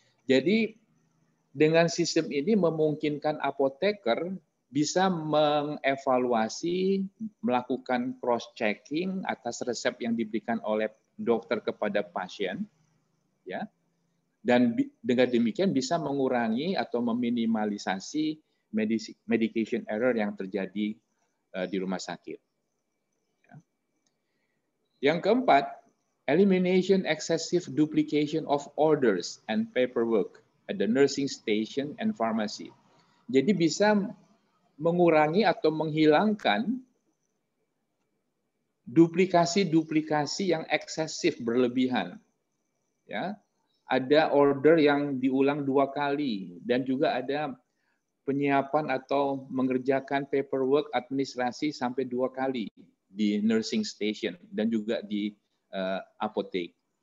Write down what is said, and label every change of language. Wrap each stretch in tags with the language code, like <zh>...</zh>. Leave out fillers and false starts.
<id>Jadi dengan sistem ini memungkinkan apoteker bisa mengevaluasi, melakukan cross-checking atas resep yang diberikan oleh dokter kepada pasien, ya, dan dengan demikian bisa mengurangi atau meminimalisasi medication error yang terjadi di rumah sakit.</id> <en>Yang keempat, elimination excessive duplication of orders and paperwork at the nursing station and pharmacy.</en> <id>Jadi bisa mengurangi atau menghilangkan duplikasi-duplikasi yang eksesif, berlebihan. Ya, ada order yang diulang dua kali, dan juga ada penyiapan atau mengerjakan paperwork administrasi sampai dua kali di nursing station dan juga di apotek.</id>